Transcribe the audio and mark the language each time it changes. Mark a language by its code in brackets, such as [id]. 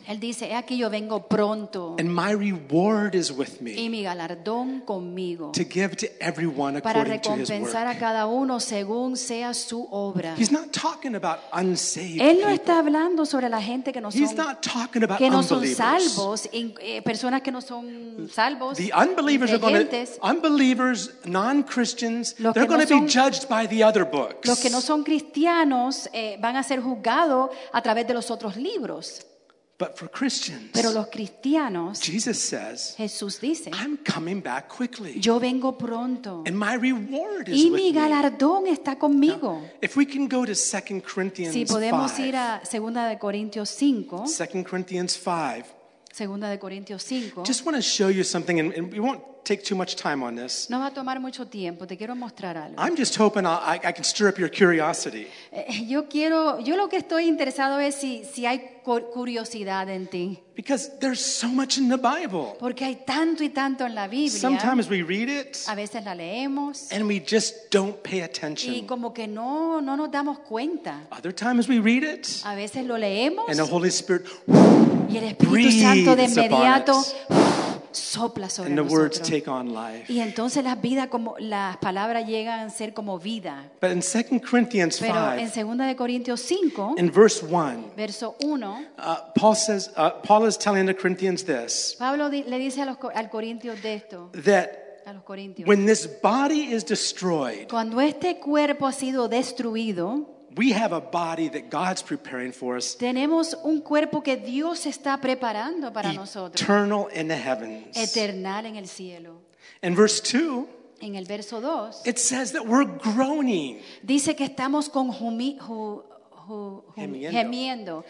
[es] Él dice, "He aquí, yo vengo pronto." [en] And my reward is with me. [es] Y mi galardón conmigo. [en] To give to everyone according to his work. [es] Para recompensar a cada uno según sea su obra. [en] He's not talking about unsaved people. [es] Él no está hablando sobre la gente que no son. [en] He's not talking about [es] que no son salvos, personas que no son salvos. [en] The unbelievers are going to unbelievers, non-Christians. They're going to be judged by the other books. [es] Los que no son cristianos van a ser juzgados a través de los otros libros. [en] But for Christians, [es] pero los cristianos, [en] Jesus says, [es] Jesús dice, [en] "I'm coming back quickly. [es] Yo vengo pronto. [en] And my reward is [es] y [en] with [es] mi galardón [en] me. [es] Está conmigo." [en] Now, if we can go to 2 Corinthians 5, [es] si podemos ir a Segunda de Corintios 5, [en] 2 Corinthians 5, [es] Segunda de Corintios 5, [en] just want to show you something, and we won't take too much time on this. [es] No va a tomar mucho tiempo. Te quiero mostrar algo. [en] I'm just hoping I can stir up your curiosity. [es] Yo quiero, yo lo que estoy interesado es si hay curiosidad en ti. [en] Because there's so much in the Bible. [es] Porque hay tanto y tanto en la Biblia. [en] Sometimes we read it. [es] A veces la leemos. [en] And we just don't pay attention. [es] Y como que no nos damos cuenta. [en] Other times we read it. [es] A veces lo leemos. [en] And the Holy Spirit. [es] Y el Espíritu Santo de inmediato. Sopla sobre [en] and the [es] nosotros. [en] Words take on life. [es] Y entonces las vidas como las palabras llegan a ser como vida. [en] But in 2 Corinthians 5, [es] pero en 2 de Corintios 5, [en] in verse 1, [es] verso 1, [en] Paul says, Paul is telling the Corinthians this. [es] Pablo le dice a los al Corintios de esto. [en] That [es] a los Corintios. [en] When this body is destroyed, [es] cuando este cuerpo ha sido destruido, [en] we have a body that God's preparing for us. [es] Tenemos un cuerpo que Dios está preparando para nosotros. [en] Eternal in the heavens. [es] Eternal en el cielo. [en] In verse 2, [es] en el verso 2, [en] it says that we're groaning. [es] Dice que estamos con gemiendo.